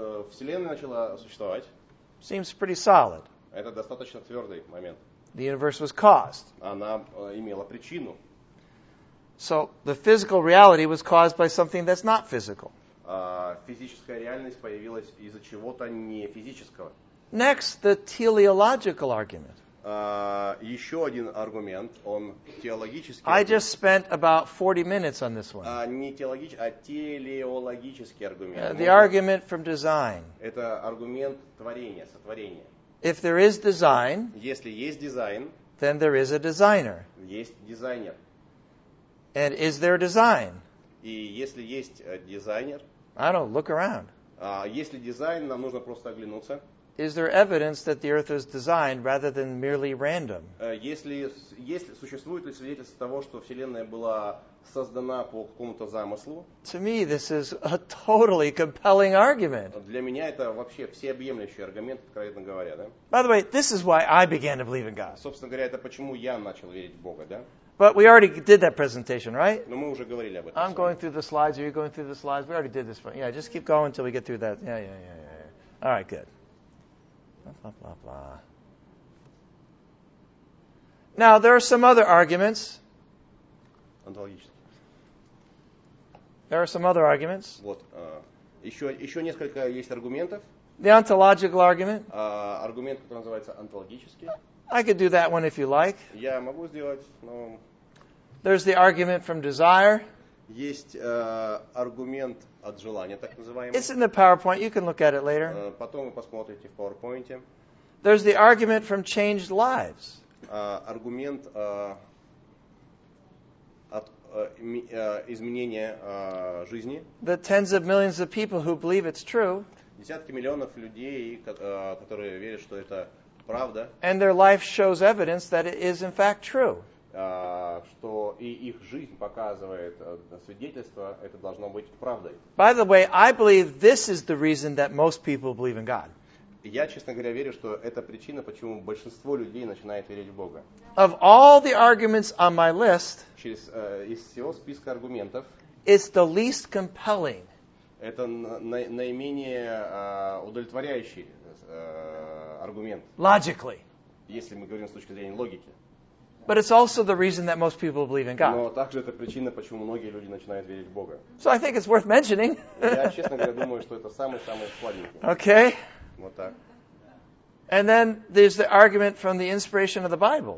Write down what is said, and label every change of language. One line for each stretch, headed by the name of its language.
Russian: Вселенная начала существовать.
English: Seems pretty solid.
Russian: Это достаточно твердый момент.
English: The universe was caused.
Russian: Она имела причину.
English: So the physical reality was caused by something that's not physical.
Russian: Физическая реальность появилась из-за чего-то не физического.
English: Next, the teleological argument.
Russian: Еще один аргумент, он теологический.
English: I just spent about 40 minutes on this one.
Russian: Не теологический, а телеологический аргумент.
English: The argument from design.
Russian: Это аргумент творения, сотворения.
English: If there is design,
Russian: если есть дизайн,
English: then there is a designer.
Russian: Есть дизайнер.
English: And is there design?
Russian: И если есть дизайнер,
English: I don't look around.
Russian: Если дизайн, нам нужно просто оглянуться.
English: Is there evidence that the earth was designed rather than merely random?
Russian: Если существует ли свидетельство того, что Вселенная была создана по какому-то замыслу?
English: To me, this is a totally compelling argument.
Russian: Для меня это вообще всеобъемлющий аргумент, откровенно говоря, да?
English: By the way, this is why I began to believe in God.
Russian: Собственно говоря, это почему я начал верить в Бога, да?
English: But we already did that presentation, right?
Russian: Но мы уже говорили об этом.
English: I'm going through the slides. Are you going through the slides? We already did this one. Yeah, just keep going until we get through that. Yeah. All right, good. Blah, blah, blah, blah. Now, there are some other arguments. There are some other arguments.
Russian: Вот, еще несколько есть аргументов.
English: The ontological argument.
Russian: Аргумент, который называется онтологический.
English: I could do that one if you like.
Russian: Я могу сделать, но...
English: There's the argument from desire.
Russian: Есть аргумент от желания, так называемый.
English: It's in the PowerPoint. You can look at it later.
Russian: Потом вы посмотрите в PowerPoint.
English: There's the argument from changed lives.
Russian: Аргумент от изменения жизни.
English: The tens of millions of people who believe it's true.
Russian: Десятки миллионов людей, которые верят, что это правда.
English: And their life shows evidence that it is in fact true.
Russian: Что и их жизнь показывает свидетельство, это должно быть правдой.
English: By the way, I believe this is the reason that most people believe in God.
Russian: Я, честно говоря, верю, что это причина, почему большинство людей начинает верить в Бога.
English: Of all the arguments on my list,
Russian: через из всего списка аргументов,
English: it's the least compelling.
Russian: Это наименее удовлетворяющий аргумент.
English: Logically.
Russian: Если мы говорим с точки зрения логики.
English: But it's also the reason that most people believe in God.
Russian: Но также это причина, почему многие люди начинают верить в Бога.
English: So I think it's worth mentioning.
Russian: Я, честно говоря, думаю, что это самый сладенький.
English: Okay.
Russian: Вот так.
English: And then there's the argument from the inspiration of the Bible.